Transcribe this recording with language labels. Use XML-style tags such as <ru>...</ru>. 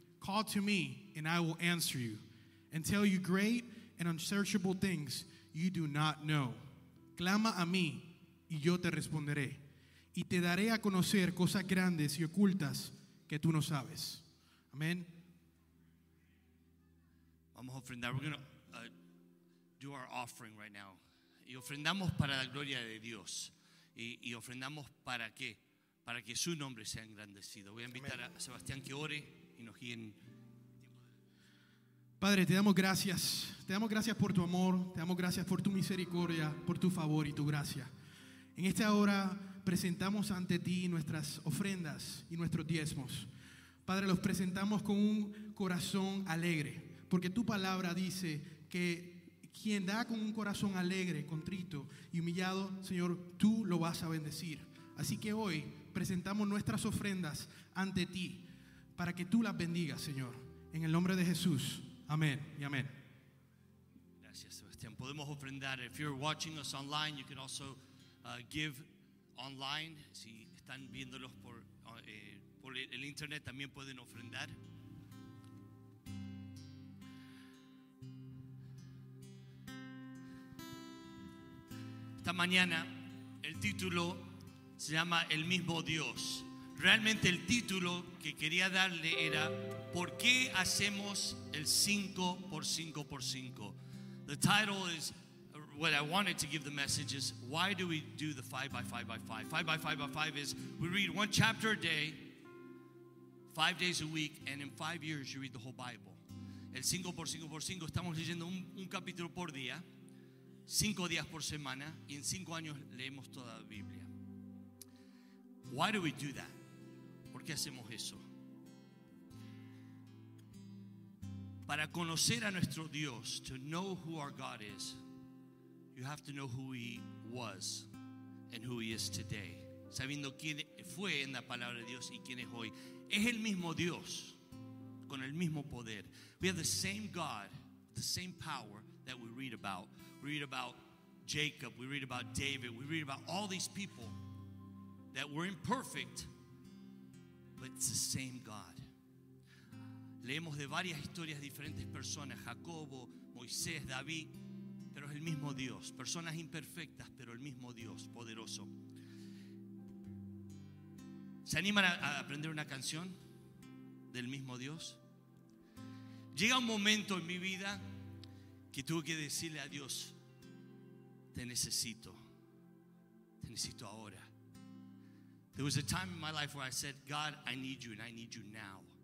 <en>Call to me and I will answer you and tell you great and unsearchable things you do not know.</en> <es>Clama a mí y yo te responderé y te daré a conocer cosas grandes y ocultas que tú no sabes. Amén. Vamos a ofrendar.</es> <en>We're going to do our offering right now.</en> <es>Y ofrendamos para la gloria de Dios. Y ofrendamos para qué? Para que su nombre sea engrandecido. Voy a invitar a Sebastián que ore y nos guíe. Padre, te damos gracias. Te damos gracias por tu amor. Te damos gracias por tu misericordia, por tu favor y tu gracia. En esta hora presentamos ante ti nuestras ofrendas y nuestros diezmos. Padre, los presentamos con un corazón alegre, porque tu palabra dice que quien da con un corazón alegre, contrito y humillado, Señor, tú lo vas a bendecir. Así que hoy presentamos nuestras ofrendas ante ti para que tú las bendigas, Señor. En el nombre de Jesús. Amén y amén. Gracias, Sebastián. Podemos ofrendar.</es> <en>If you're watching us online, you can also give online.</en> <es>Si están viéndolos por el internet, también pueden ofrendar. Esta mañana el título se llama El mismo Dios. Realmente el título que quería darle era ¿Por qué hacemos el 5x5x5?</es> <en>The title is what I wanted to give the message is why do we do the 5x5x5? 5x5x5 is we read one chapter a day, 5 days a week, and in 5 years you read the whole Bible.</en> <es>El 5x5x5 estamos leyendo un capítulo por día, 5 días por semana, y en 5 años leemos toda la Biblia.</es> <en>Why do we do that?</en> <es>¿Por qué hacemos eso? Para conocer a nuestro Dios,</es> <en>to know who our God is, you have to know who He was and who He is today.</en> <es>Sabiendo quién fue en la palabra de Dios y quién es hoy. Es el mismo Dios, con el mismo poder.</es> <en>We have the same God, the same power that we read about. We read about Jacob, we read about David, we read about all these people that were imperfect, but it's the same God.</en> <es>Leemos de varias historias de diferentes personas, Jacobo, Moisés, David, pero es el mismo Dios. Personas imperfectas, pero el mismo Dios, poderoso. ¿Se animan a aprender una canción del mismo Dios? Llega un momento en mi vida que tuve que decirle a Dios, te necesito ahora.</es> <en>There was a time in my life where I said, God, I need you, and I need you now.</en>